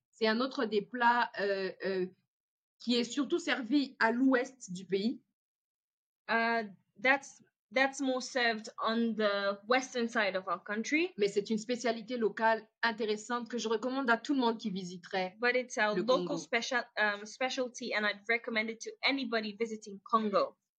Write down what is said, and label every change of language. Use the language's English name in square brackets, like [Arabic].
[French] C'est un autre des plats qui est surtout servi à l'ouest du pays. [English] That's more served on the western side of our country. [French] Mais c'est une spécialité locale intéressante que je recommande à tout le monde qui visiterait le Congo. [English] But it's a local specialty and I'd recommend it to anybody visiting Congo.